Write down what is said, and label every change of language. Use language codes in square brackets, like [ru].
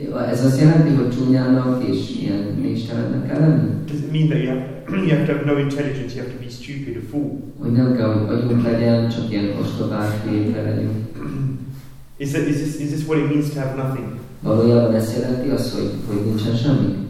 [hu] Ez azt jelenti, hogy csúnyának és ilyen mélystelennek kell lenni? [en] Does it mean that you have to have no intelligence, you have to be stupid, a fool? [hu] Hogy nem kell, hogy agyunk legyen, csak ilyen ostobák, kéne legyünk. [en] Is this what it means to have nothing? [hu] Valójában ezt jelenti azt, hogy nincsen semmi.